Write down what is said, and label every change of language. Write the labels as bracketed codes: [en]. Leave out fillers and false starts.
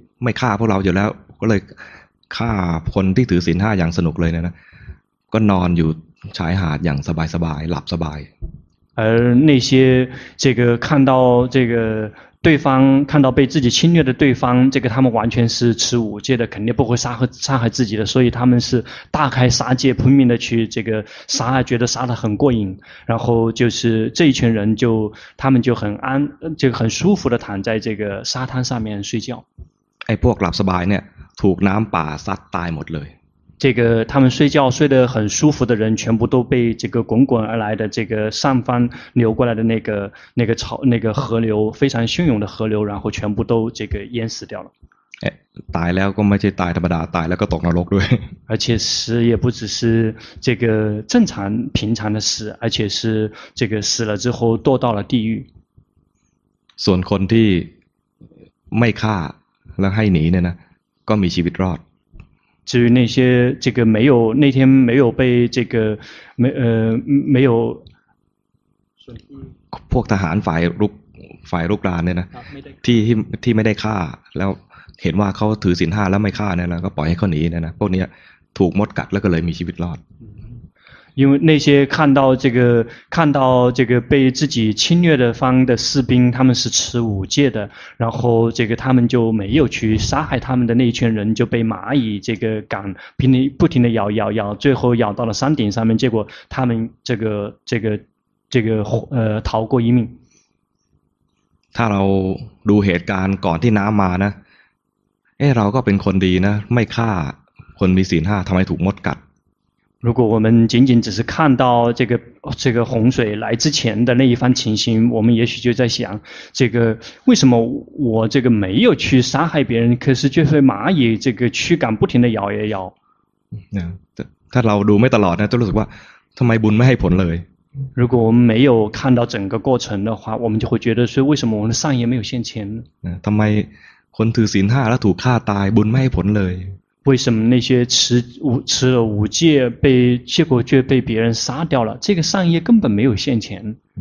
[th] ไม่ฆ่าพวกเราอยู่แล้วก็เลยฆ่าคนที่ถือศีล5อย่างสนุกเลยนะก็นอนอยู่ชายหาดอย่างสบายๆหลับสบาย [zh] 而那些这个看到这个对方看到被自己侵略的对方，这个他们完全是持五戒的，肯定不会杀害自己的，所以他们是大开杀戒，拼命的去这个杀，觉得杀得很过瘾。然后就是这一群人就他们就很安，就很舒服的躺在这个沙滩上面睡觉。 [th] ไอ้พวกหลับสบายเนี่ยถูกน้ำป่าซัดตายหมดเลย。 [zh] 这个他们睡觉睡得很舒服的人，全部都被这个滚滚而来的这个上方流过来的那个潮那个河流非常汹涌的河流，然后全部都这个淹死掉了。 [th] 哎，ตายแล้วก็ไม่ใช่ตายธรรมดาตายแล้วก็ตกนรกด้วย。 [zh] 而且死也不只是这个正常平常的死，而且是这个死了之后堕到了地狱。 [th] ส่วนคนที่ไม่ฆ่าแล้วให้หนีเนี่ยนะก็มีชีวิตรอด。 [zh] 至于那些这个没有那天没有被这个没有 [th] พวกทหารฝ่ายรุกรานเนี่ยนะที่ไม่ได้ฆ่าแล้วเห็นว่าเขาถือศีล5แล้วไม่ฆ่าเนี่ยนะก็ปล่อยให้เขาหนีเนี่ยนะพวกนี้ถูกมดกัดแล้วก็เลยมีชีวิตรอด [zh] 因为那些看到这个被自己侵略的方的士兵，他们是持五戒的，然后这个他们就没有去杀害他们的那一群人，就被蚂蚁这个赶，不停地咬咬咬，最后咬到了山顶上面，结果他们这个逃过一命。 [th] ถ้าเราดูเหตุการณ์ก่อนที่น้ำมานะ เราก็เป็นคนดีนะไม่ฆ่าคนมีศีล5ทำไมถูกมดกัด [zh] 如果我们仅仅只是看到这个洪水来之前的那一番情形，我们也许就在想，这个为什么我这个没有去杀害别人，可是却被蚂蚁这个驱赶，不停的咬也咬。 [th] ถ้าเราดูไม่ตลอดนะจะรู้สึกว่าทำไมบุญไม่ให้ผลเลย [zh] 如果我们没有看到整个过程的话，我们就会觉得说为什么我们的善业没有现前？ [th] ทำไมคนถือศีล5แล้วถูกฆ่าตายบุญไม่ให้ผลเลย [zh] 为什么那些持了五戒被结果却被别人杀掉了？这个善业根本没有现前。